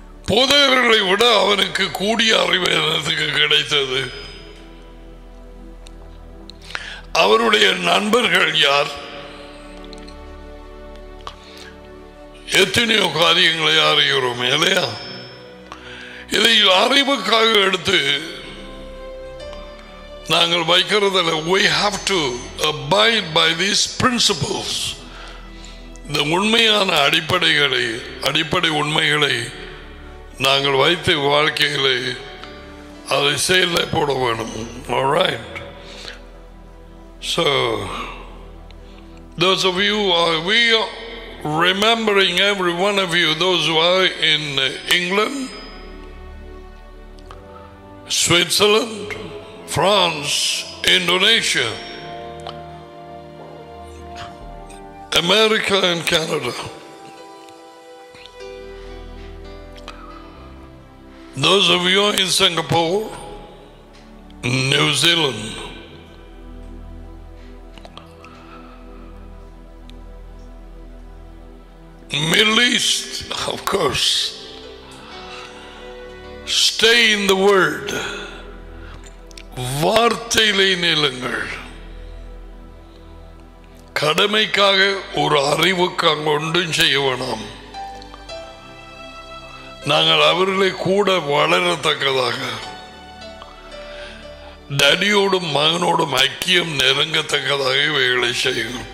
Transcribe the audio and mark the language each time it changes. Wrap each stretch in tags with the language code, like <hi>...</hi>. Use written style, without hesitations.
<ta>போதகர்களை விட அவனுக்கு கூடிய அறிவு கிடைத்தது, அவருடைய நண்பர்கள் யார், எத்தனையோ காரியங்களை அறிகிறோம் இல்லையா. இதை அறிவுக்காக எடுத்து நாங்கள் வைக்கிறதில்</ta> <en>we have to abide by these principles.</en> <ta>இந்த உண்மையான அடிப்படைகளை, அடிப்படை உண்மைகளை நாங்கள் வைத்து வாழ்க்கைகளை அதை செயலில் போட வேணும்.</ta> <en>Alright. So, those of you we are remembering every one of you, those who are in England, Switzerland, France, Indonesia, America and Canada. Those of you in Singapore, New Zealand, Middle East, of course, stay in the Word.</en> <ta>வார்த்தையிலே நிலங்கள், கடமைக்காக ஒரு அறிவுக்காக ஒன்றும் செய்ய வேணாம். நாங்கள் அவர்களை கூட வளரத்தக்கதாக, டடியோடும் மகனோடும் ஐக்கியம் நெருங்கத்தக்கதாக இவைகளை செய்யுங்க.</ta>